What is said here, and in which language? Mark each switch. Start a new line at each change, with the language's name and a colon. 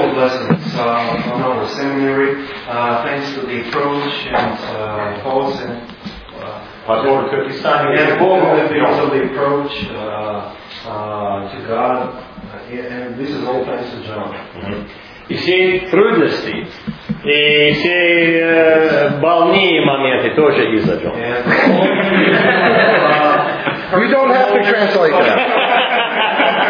English: the blessings on our seminary, thanks to the approach and Paul's and
Russian: подход к писанию и Богу,
English: and also the approach to God, and this is all thanks to John.
Russian: И все трудности, и все больные моменты тоже из-за Джона.
English: You don't have to translate that.